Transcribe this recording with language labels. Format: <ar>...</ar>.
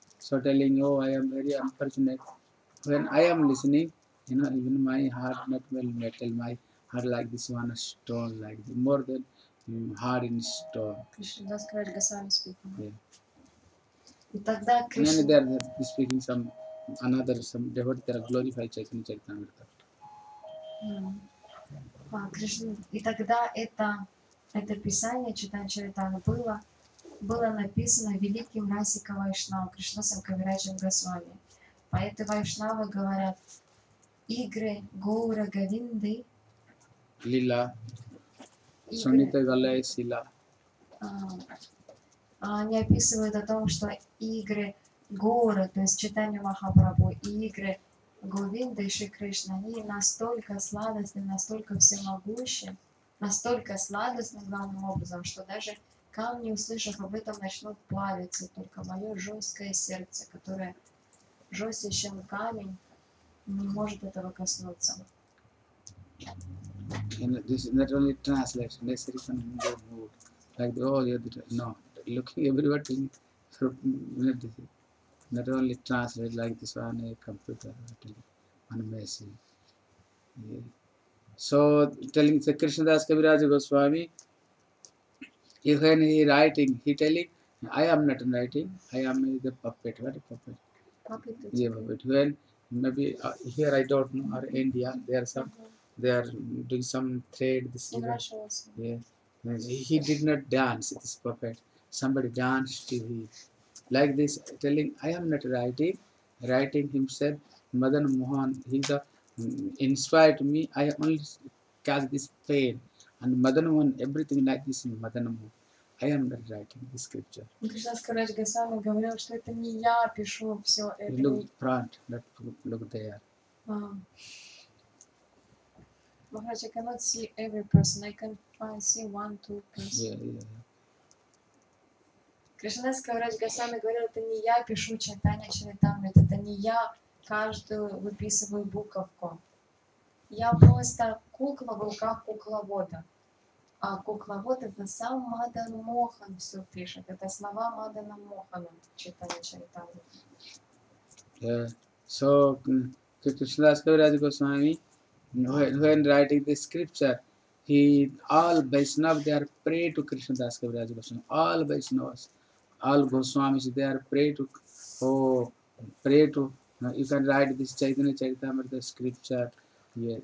<en>So telling, oh, I am very unfortunate when I am listening, you know, even my heart not well metal, my heart like this one, a stone like this, more than hard in stone. Krishna, that's correct. Gosvami speaking. Yeah. And then they are speaking some devotee, they are glorified Chaitanya Charitamrita.</en> <ru>И тогда это писание Чайтанья Чаритамриты было написано великим Расика Вайшнавом, Кришнадасом Кавираджем Госвами. Поэты Вайшнавы говорят: игры Гоура Говинды Лила Сунита Галая Сила. Они описывают о том, что игры Гоура, то есть Чайтанья Махапрабху, и игры Говинда и Шри Кришна, они настолько сладостны, настолько всемогущие, настолько сладостны главным образом, что даже камни, услышав об этом, начнут плавиться. Только мое жесткое сердце, которое жестче, чем камень, не может этого коснуться.</ru> <en>This is not only translation, this is written in the mood. Like the whole other, no, looking everything through. Not only translate like this on a computer, on a message. Yeah. So, telling the Krishnadas Kaviraj Goswami, even he writing, he telling, I am not writing, I am the puppet. What a puppet? Puppet. Yeah, puppet. When, maybe here I don't know, or India, they are doing some thread. This in Russia also. Yeah. He did not dance, this puppet. Somebody danced to him. Like this, telling, I am not writing himself, Madan Mohan, he's inspired me, I only catch this pain. And Madan Mohan, everything like this in Madan Mohan, I am not writing the scripture.</en> <ru>Krishnadas Kaviraj Goswami говорил, что это не я пишу все это.</ru> <en>Look front, not look there. Maharaj, I cannot see every person, I can find, see one, two persons. Yeah.</en> <ru>Кришнадас Кавирадж Госвами говорил, это не я пишу Чайтанья Чаритамриту, это не я каждую выписываю буковку. Я просто кукла в руках кукловода. А кукловод — это сам Мадан Мохан все пишет. Это слова Мадана Мохана Чайтанья Чаритамриту.</ru> <en>Кришнадас Кавирадж Госвами, when writing the scripture, he all Vaishnavas, they are pray to Кришнадас Кавирадж Госвами. All Vaishnavas. All Goswamis, they are pray to, you can write this Chaitanya Charitamrita scripture. Yes.</en>